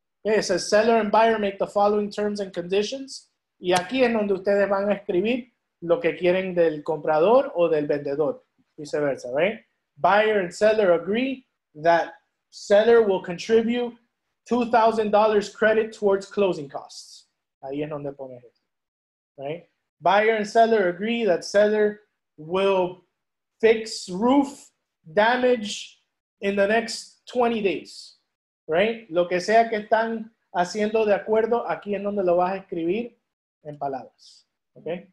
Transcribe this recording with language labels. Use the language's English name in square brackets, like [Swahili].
[English] Okay, it says, seller and buyer make the following terms and conditions. [Spanish] Y aquí es donde ustedes van a escribir lo que quieren del comprador o del vendedor, viceversa, right? [English] Buyer and seller agree that seller will contribute $2,000 credit towards closing costs. [Spanish] Ahí es donde pone eso, [English] right? Buyer and seller agree that seller will fix roof damage in the next 20 days, right? [Spanish] Lo que sea que están haciendo de acuerdo, aquí es donde lo vas a escribir en palabras, ¿ok?